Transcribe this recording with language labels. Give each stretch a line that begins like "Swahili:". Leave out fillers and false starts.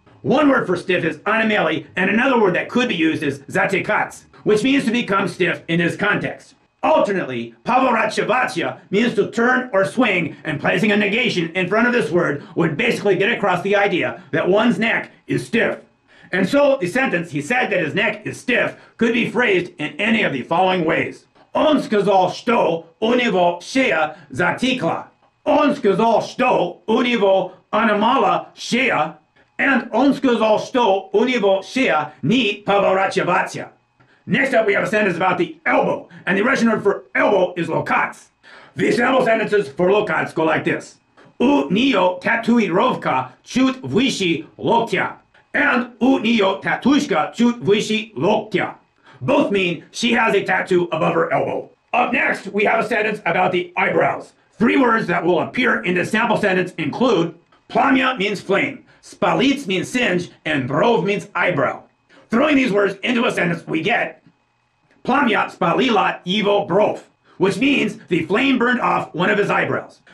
English: One word for stiff is онемелый, and another word that could be used is затекать, which means to become stiff in this context. Alternately, поворачиваться means to turn or swing, and placing a negation in front of this word would basically get across the idea that one's neck is stiff. And so, the sentence, he said that his neck is stiff, could be phrased in any of the following ways.
Russian: Он сказал, что у него шея затекла. Он сказал, что у него онемела шея. And он сказал, что у него шея не поворачивается.
English: Next up, we have a sentence about the elbow, and the Russian word for elbow is локоть. The sample sentences for локоть go like this.
Russian: У нее татуировка чуть выше локтя. And у нее татушка чуть выше локтя.
English: Both mean she has a tattoo above her elbow. Up next, we have a sentence about the eyebrows. Three words that will appear in the sample sentence include пламя means flame, спалить means singe, and бровь means eyebrow. Throwing these words into a sentence, we get
Russian: пламя спалило его бровь,
English: which means the flame burned off one of his eyebrows.